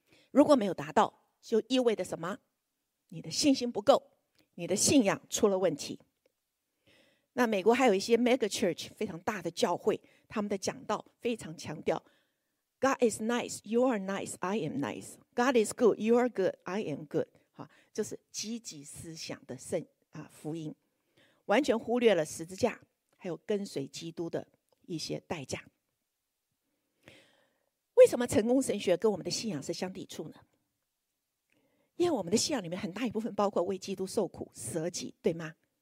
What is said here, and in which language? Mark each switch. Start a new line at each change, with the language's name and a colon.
Chinese: 如果没有达到，就意味着什么？你的信心不够，你的信仰出了问题。那美国还有一些
English: mega church
Chinese: 非常大的教会，他们的讲道非常强调
English: God is nice, you are nice, I am nice. God is good, you are good, I am good.
Chinese: 就是积极思想的福音，完全忽略了十字架还有跟随基督的一些代价。为什么成功神学跟我们的信仰是相抵触呢？因为我们的信仰里面很大一部分包括为基督受苦舍己，对吗？